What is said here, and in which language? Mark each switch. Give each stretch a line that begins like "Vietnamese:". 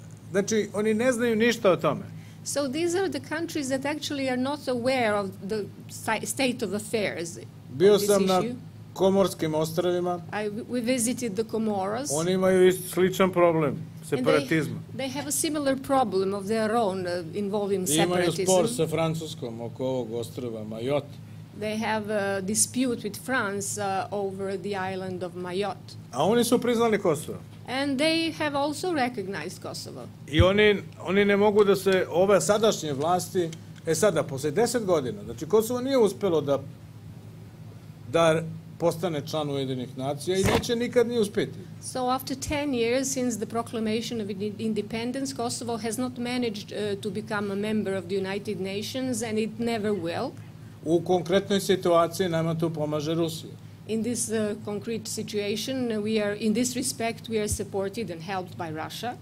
Serbian: Znači, oni ne znaju ništa o tome.
English: So these are the countries that actually are not aware of the state of affairs.
Serbian: Bio sam na Komorskim ostrovima.
English: We visited the Comoros.
Serbian: Oni imaju sličan problem, separatizma.
English: They have a similar problem of their own involving separatism.
Serbian: Imaju spor sa Francuskom oko ovog ostrova Mayotte.
English: They have a dispute with France over the island of Mayotte.
Serbian: A oni su priznali Kosovo.
English: And they have also recognized Kosovo.
Serbian: I oni ne mogu da se ove sadašnje vlasti, e sada, posle 10 godina, znači Kosovo nije uspelo da postane član Ujedinjenih nacija i neće nikad ni uspeti.
English: So after 10 years since the proclamation of independence, Kosovo has not managed to become a member of the United Nations and it never will.
Serbian: U konkretnoj situaciji nama tu pomaže Rusija.
English: In this concrete situation, we are, in this respect, we are supported and helped by Russia.